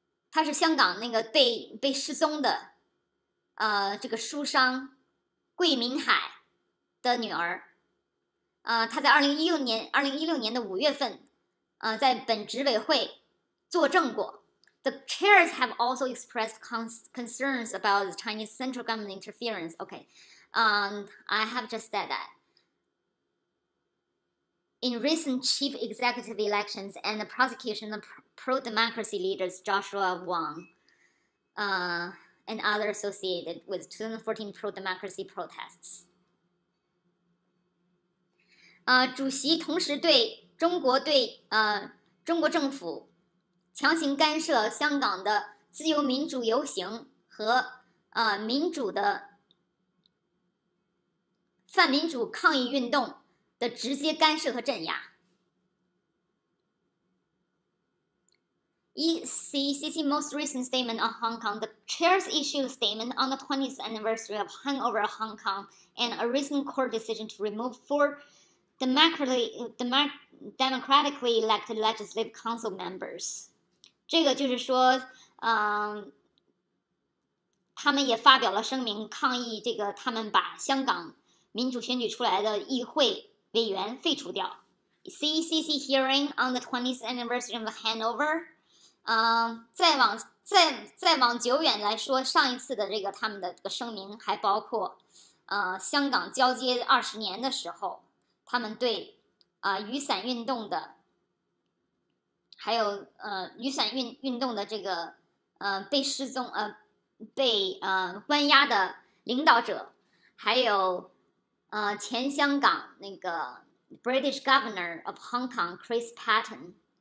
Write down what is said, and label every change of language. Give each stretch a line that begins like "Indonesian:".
Chinese: 他是香港那个被失踪的这个书商桂明海的女儿。他在2016年的五月份，在本执委会作证过。
English: The chairs have also expressed concerns about the Chinese central government interference. Okay, I have just said that. In recent chief executive elections and the prosecution of pro-democracy leaders Joshua Wong, and others associated with 2014 pro-democracy protests.
Chinese: 主席同时对中国中国政府强行干涉香港的自由民主游行和民主的泛民主抗议运动的直接干涉和镇压。
English: ECCC most recent statement on Hong Kong, the chair's issued statement on the 20th anniversary of hangover of Hong Kong and a recent court decision to remove four. democratically elected legislative council members.
Chinese: 这个就是说他们也发表了声明抗议这个他们把香港民主选举出来的议会委员废除掉。
English: CECC hearing on the 20th anniversary of Hanover.
Chinese: 再往久远来说，上一次的这个他们的这个声明还包括香港交接20年的时候。他们对雨伞运动的还有雨伞运动的这个被失踪被关押的领导者，还有前香港那个
English: British Governor of Hong Kong Chris Patten